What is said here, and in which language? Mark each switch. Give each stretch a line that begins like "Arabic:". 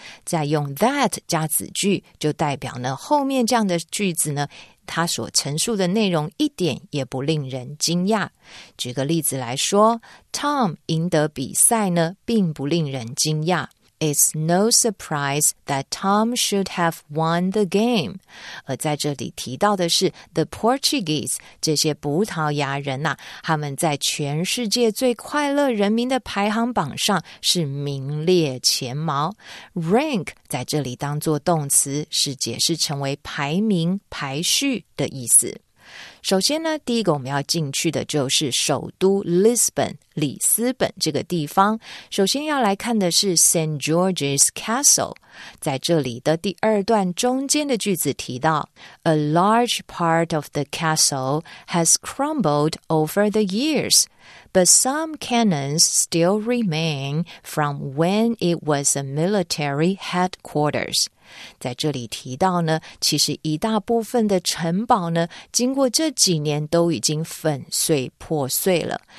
Chinese: 再用 that 加子句，就代表呢后面这样的句子呢，它所陈述的内容一点也不令人惊讶。举个例子来说 ，Tom 赢得比赛呢，并不令人惊讶。
English: It's no surprise that Tom should have won the game.
Chinese: 而在这里提到的是 the Portuguese, 这些葡萄牙人啊，他们在全世界最快乐人民的排行榜上是名列前茅。 Rank 在这里当作动词，是解释成为排名、排序的意思。首先呢，第一个我们要进去的就是首都 Lisbon 里斯本这个地方。首先要来看的是 St.
English: George's Castle，
Chinese: 在这里的第二段中间的句子提到
English: A large part of the castle has crumbled over the years, but some cannons still remain from when it was a military headquarters.
Chinese: 在这里提到呢，其实一大部分的城堡呢，经过这几年都已经粉碎破碎了。